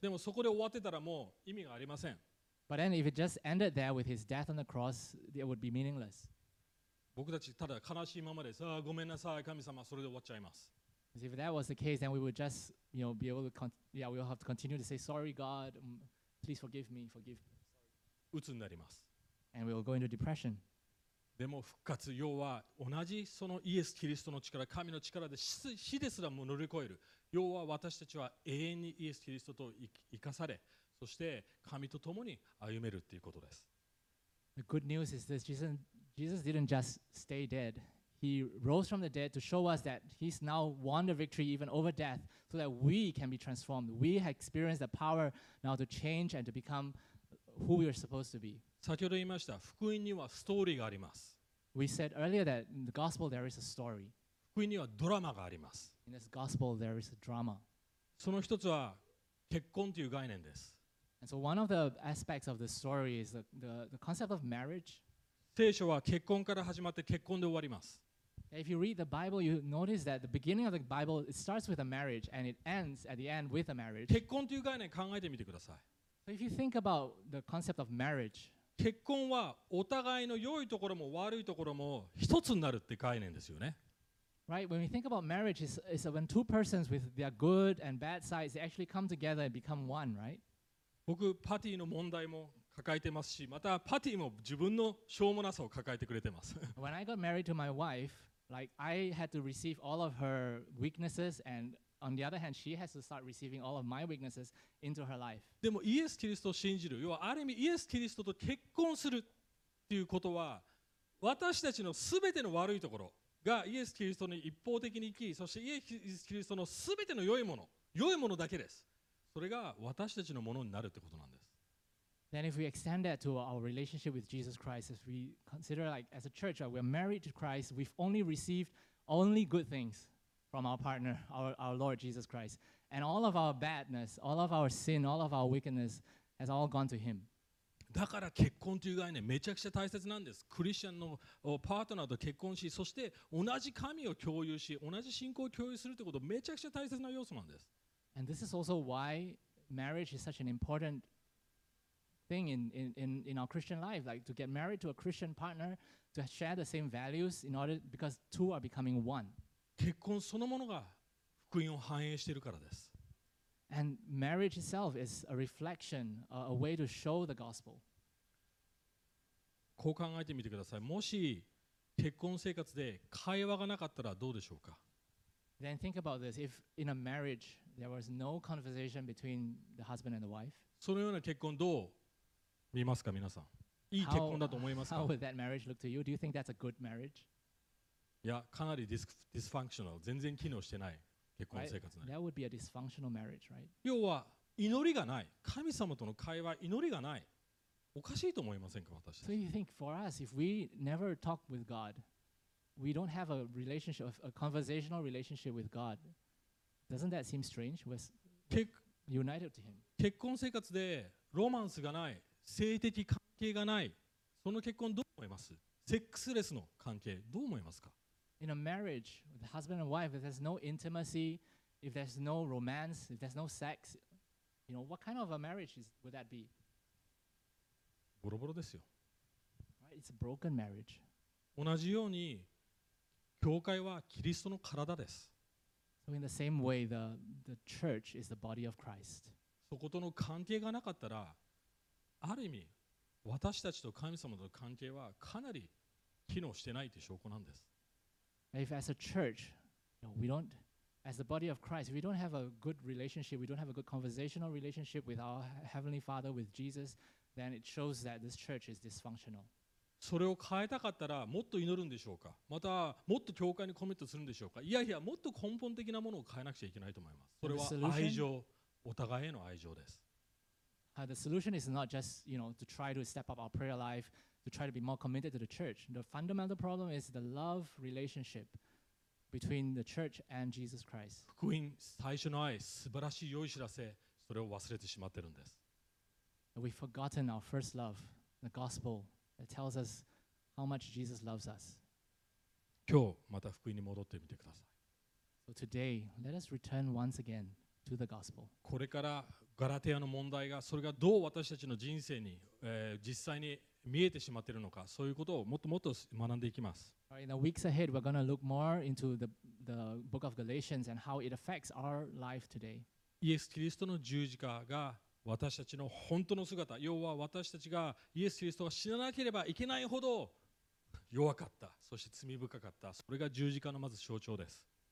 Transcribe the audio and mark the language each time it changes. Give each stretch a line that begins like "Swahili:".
Japanese: でもそこで終わってたらもう意味がありません。
English: But then if it just ended there with his death on the cross, it would be meaningless.
Japanese: 僕たちただ悲しいままです。ああ、ごめんなさい、神様、それで終わっちゃいます。
English: Because if that was the case, then we would just, you know, be able to, we would have to continue to say, sorry, God, please forgive me, forgive me.
Japanese: 鬱になります。
English: And we will go into depression.
Japanese: でも復活、要は同じそのイエス・キリストの力、神の力で死ですらも乗り越える。要は私たちは永遠にイエス・キリストと生かされ、そして神と共に歩めるということです。
English: The good news is this: Jesus didn't just stay dead. He rose from the dead to show us that He's now won the victory even over death, so that we can be transformed. We have experienced the power now to change and to become who we are supposed to be.
Japanese: 先ほど言いました、福音にはストーリーがあります。
English: We said earlier that in the gospel there is a story.
Japanese: 福音にはドラマがあります。
English: In this gospel there is a drama.
Japanese: その一つは結婚という概念です。
English: And so one of the aspects of the story is the concept of marriage.
Japanese: 聖書は結婚から始まって結婚で終わります。
English: If you read the Bible, you notice that the beginning of the Bible it starts with a marriage and it ends at the end with a marriage.
Japanese: 結婚という概念考えてみてください。
English: So if you think about the concept of marriage,
Japanese: 結婚はお互いの良いところも悪いところも一つになるって概念ですよね。
English: Right, when we think about marriage, it's when two persons with their good and bad sides they actually come together and become one, right?
Japanese: 僕、パティの問題も抱えてますし、またパティも自分のしょうもなさを抱えてくれてます。
English: When I got married to my wife, like I had to receive all of her weaknesses, and on the other hand, she has to start receiving all of my weaknesses into her life.
Japanese: でもイエス・キリストを信じる、要はある意味イエス・キリストと結婚するっていうことは、私たちのすべての悪いところ、がイエス・キリストに一方的に生き、そしてイエス・キリストのすべての良いもの、良いものだけです。それが私たちのものになるってことなんです。
English: Then if we extend that to our relationship with Jesus Christ, if we consider like as a church, we're married to Christ, we've only received only good things from our partner, our Lord Jesus Christ. And all of our badness, all of our sin, all of our wickedness has all gone to Him.
Japanese: だから結婚という概念めちゃくちゃ大切なんです。クリスチャンのパートナーと結婚し、そして同じ神を共有し、同じ信仰を共有するということめちゃくちゃ大切な要素なんです。
English: And this is also why marriage is such an important thing in our Christian life, like to get married to a Christian partner, to share the same values in order because two are becoming one.
Japanese: 結婚そのものが福音を反映しているからです。
English: And marriage itself is a reflection, a way to show the gospel.
Japanese: こう考えてみてください。もし結婚生活で会話がなかったらどうでしょうか?
English: Then think about this. If in a marriage there was no conversation between the husband and the wife,
Japanese: そのような結婚どう見ますか、皆さん。いい結婚だと思いますか?
English: How would that marriage look to you? Do you think that's a good marriage?
Japanese: いや、かなりディスファンクショナル。全然機能してない。結婚生活ない。
English: That would be a dysfunctional marriage, right?
Japanese: 要は祈りがない。神様との会話、祈りがない。おかしいと思いませんか、私たち。
English: So you think for us, if we never talk with God, we don't have a relationship, a conversational relationship with God. Doesn't that seem strange? We're united to Him.
Japanese: 結婚生活でロマンスがない、性的関係がない。その結婚どう思います？セックスレスの関係どう思いますか？
English: In a marriage, the husband and wife, if there's no intimacy, if there's no romance, if there's no sex, you know, what kind of a marriage would that be?
Japanese: ボロボロですよ。
English: Right? It's a broken marriage.
Japanese: 同じように、教会はキリストの体です。
English: So in the same way, the church is the body of Christ.
Japanese: そことの関係がなかったら、ある意味、私たちと神様との関係はかなり機能してないという証拠なんです。
English: If as a church, you know, we don't, as the body of Christ, if we don't have a good relationship, we don't have a good conversational relationship with our Heavenly Father, with Jesus, then it shows that this church is dysfunctional.
Japanese: それを変えたかったらもっと祈るんでしょうか。またもっと教会にコミットするんでしょうか。いやいや、もっと根本的なものを変えなくちゃいけないと思います。それは愛情、お互いへの愛情です。
English: The solution is not just, you know, to try to step up our prayer life, to try to be more committed to the church. The fundamental problem is the love relationship between the church and Jesus Christ.
Japanese: 福音、最初の愛、素晴らしい良い知らせ、それを忘れてしまってるんです。
English: We've forgotten our first love, the gospel. It tells us how much Jesus loves us.
Japanese: 今日また福音に戻ってみてください。
English: So today, let us return once again to the gospel.
Japanese: これからガラテヤの問題が、それがどう私たちの人生に、実際に見えてしまっているのか、そういうことをもっともっと学んでいきます。
English: Right, in the weeks ahead, we're going to look more into the book of Galatians and how it affects our life today.
Japanese: イエス・キリストの十字架が私たちの本当の姿、要は私たちがイエス・キリストが死ななければいけないほど弱かった、そして罪深かった、それが十字架のまず象徴です。